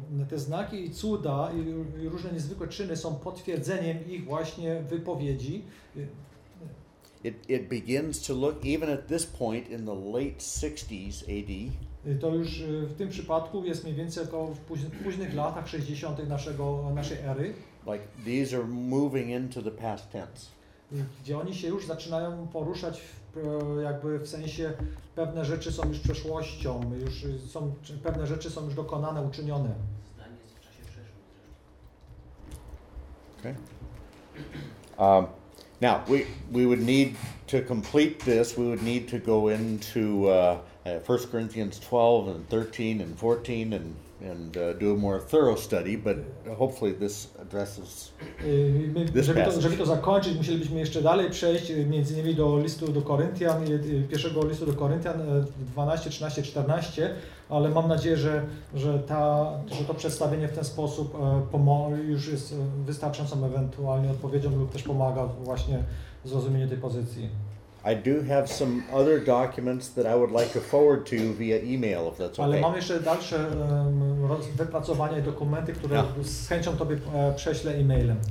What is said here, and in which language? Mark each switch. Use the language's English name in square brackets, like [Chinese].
[Polish] Te znaki i cuda i różne niezwykłe czyny są potwierdzeniem ich właśnie wypowiedzi. [English] It begins to look even at this point in the late 60s AD. [Polish] To już w tym przypadku jest mniej więcej około w późnych latach 60. naszej ery. [English] Like these are moving into the past tense. [Polish] Gdzie oni się już zaczynają poruszać jakby w sensie pewne rzeczy są już przeszłością, już są pewne rzeczy są już dokonane, uczynione. Zdanie jest w czasie przeszłym. [English] Okay. Now we would need to complete this. We would need to go into 1 Corinthians 12 and 13 and 14 and do a more thorough study. But hopefully this addresses this passage. [Polish] Żeby to zakończyć, musielibyśmy jeszcze dalej przejść między innymi do listu do Koryntian, pierwszego listu do Koryntian 12, 13, 14. Ale mam nadzieję, że to przedstawienie w ten sposób już jest wystarczającą ewentualnie odpowiedzią lub też pomaga właśnie w zrozumieniu tej pozycji. [English] I do have some other documents that I would like to forward to you via email, if that's okay. [Polish] Ale mam jeszcze dalsze wypracowania i dokumenty, które z chęcią tobie prześlę e-mailem.